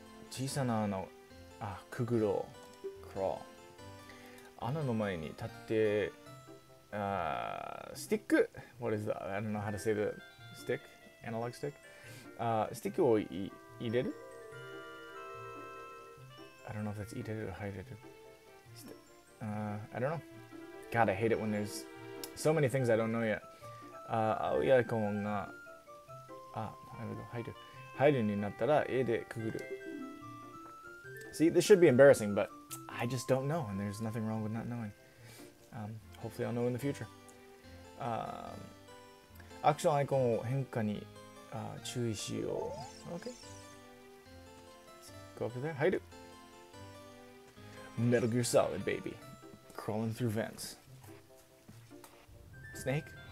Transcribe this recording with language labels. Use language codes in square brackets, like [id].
[ja] 小さな穴を、あ、くぐろう。 [en] Crawl. [ja] 穴の前に立って、 [en] Stick! What is that? I don't know how to say the stick. Analog stick? [ja] Stick を入れる? [en] I don't know if that's 入れる or 入れる。I don't know. God, I hate it when there's so many things I don't know yet. [ja] Aoi Icon が入る。入るになったら A でくぐる。 [en] See, this should be embarrassing, but I just don't know, and there's nothing wrong with not knowing. Hopefully I'll know in the future. [ja] アクションアイコンを変化に注意しよう。 [en] Okay. Go over there. はい。Metal Gear Solid, baby. Crawling through vents. Snake?